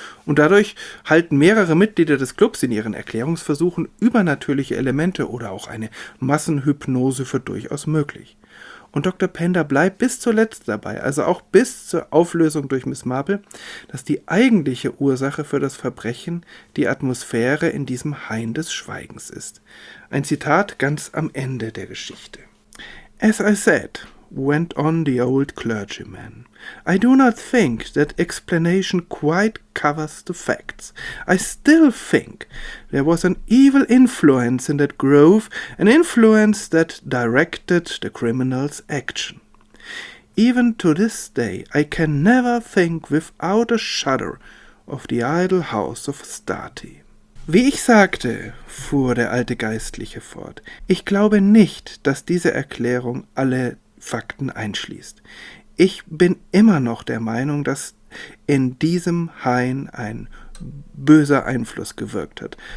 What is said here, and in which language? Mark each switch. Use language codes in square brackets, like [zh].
[de] Und dadurch halten mehrere Mitglieder des Clubs in ihren Erklärungsversuchen übernatürliche Elemente oder auch eine Massenhypnose für durchaus möglich. Und Dr. Pender bleibt bis zuletzt dabei, also auch bis zur Auflösung durch Miss Marple, dass die eigentliche Ursache für das Verbrechen die Atmosphäre in diesem Hain des Schweigens ist. Ein Zitat ganz am Ende der Geschichte. [en] As I said, went on the old clergyman, I do not think that explanation quite covers the facts. I still think there was an evil influence in that grove, an influence that directed the criminal's action. Even to this day, I can never think without a shudder of the idle house of Astarte. [de] Wie ich sagte, fuhr der alte Geistliche fort, ich glaube nicht, dass diese Erklärung alle Fakten einschließt. Ich bin immer noch der Meinung, dass in diesem Hain ein böser Einfluss gewirkt hat.